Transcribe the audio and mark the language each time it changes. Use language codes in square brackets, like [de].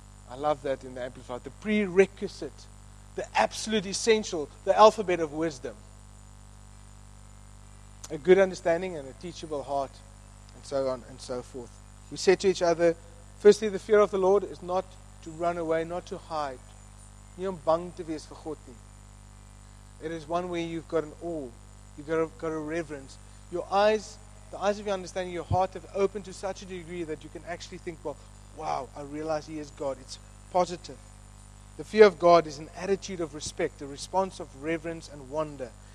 [en] I love that in the Amplified. The prerequisite, the absolute essential, the alphabet of wisdom. A good understanding and a teachable heart, and so on and so forth. We said to each other, firstly, the fear of the Lord is not to run away, not to hide. [af] Nie om bang te wees vir God nie. [en] It is one where you've got an awe. You've got a reverence. Your eyes, the eyes of your understanding, your heart have opened to such a degree that you can actually think, well, wow, I realize He is God. It's positive. The fear of God is an attitude of respect, a response of reverence and wonder.